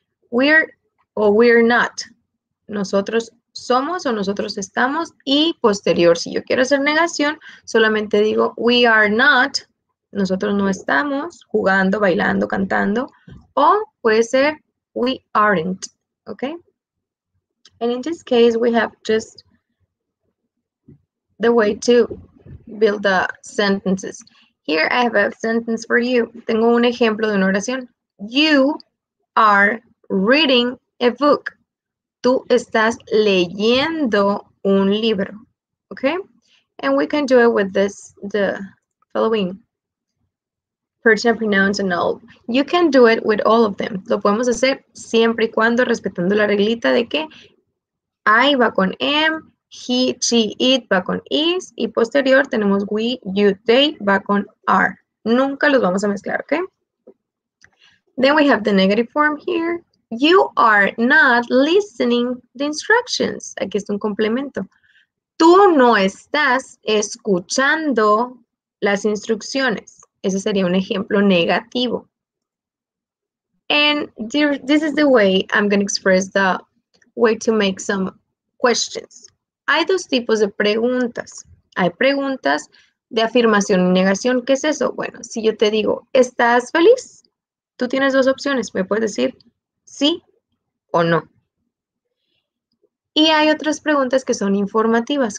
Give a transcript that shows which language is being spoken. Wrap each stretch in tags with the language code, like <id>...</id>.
<en>We're</en> <es>o</es> <en>we're not.</en> <es>Nosotros somos o nosotros estamos. Y posterior, si yo quiero hacer negación, solamente digo</es> <en>we are not.</en> <es>Nosotros no estamos jugando, bailando, cantando. O puede ser</es> <en>we aren't,</en> <es>¿ok?</es> <en>And in this case, we have just the way to build the sentences. Here I have a sentence for you.</en> <es>Tengo un ejemplo de una oración.</es> <en>You are reading a book.</en> <es>Tú estás leyendo un libro.</es> <en>Okay? And we can do it with this, the following personal pronouns and all. You can do it with all of them.</en> <es>Lo podemos hacer siempre y cuando respetando la reglita de que I va con am. He, she, it va con is y posterior tenemos we, you, they va con are. Nunca los vamos a mezclar, ¿ok?</es> <en>Then we have the negative form here. You are not listening the instructions.</en> <es>Aquí está un complemento. Tú no estás escuchando las instrucciones. Ese sería un ejemplo negativo. And this is the way I'm going to express the way to make some questions. Hay dos tipos de preguntas. Hay preguntas de afirmación y negación. ¿Qué es eso? Bueno, si yo te digo, ¿estás feliz? Tú tienes dos opciones. Me puedes decir sí o no. Y hay otras preguntas que son informativas.</es>